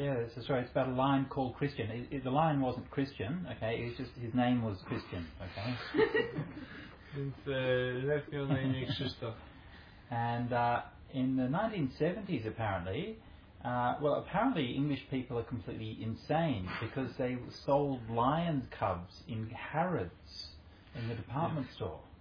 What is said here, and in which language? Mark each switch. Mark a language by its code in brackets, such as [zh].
[en] It's a story. It's about a lion called Christian. The lion wasn't Christian. Okay, it's just his name was Christian. Okay. [pl] Więc lew miał na imię Krzysztof. [en] And in the 1970s, apparently. Apparently English people are completely insane because they sold lion cubs in Harrods in the department store.